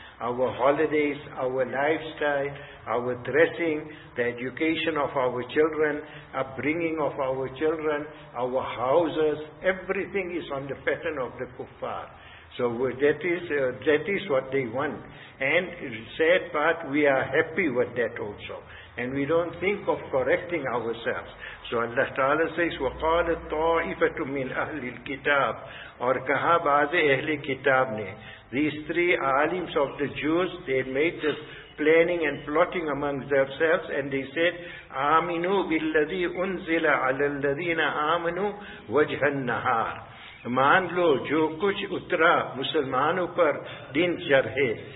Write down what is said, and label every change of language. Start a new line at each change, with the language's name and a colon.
English: Our holidays, our lifestyle, our dressing, the education of our children, upbringing of our children, our houses, everything is on the pattern of the kuffar. So that is what they want. And sad part, we are happy with that also. And we don't think of correcting ourselves. So Allah Ta'ala says,
Arabic: وَقَالَ الطَّائِفَةُ مِنْ أَهْلِ الْكِتَابِ
Urdu: اور کہا بعضِ اہلِ کتاب نے.
English: These three alims of the Jews, they made this planning and plotting among themselves, and they said,
Arabic: آمِنُوا بِالَّذِي أُنزِلَ عَلَى الَّذِينَ آمَنُوا وَجْهَ النَّهَارِ.
Urdu: مان لو جو کچھ اترا مسلمانوں پر دن چر ہے.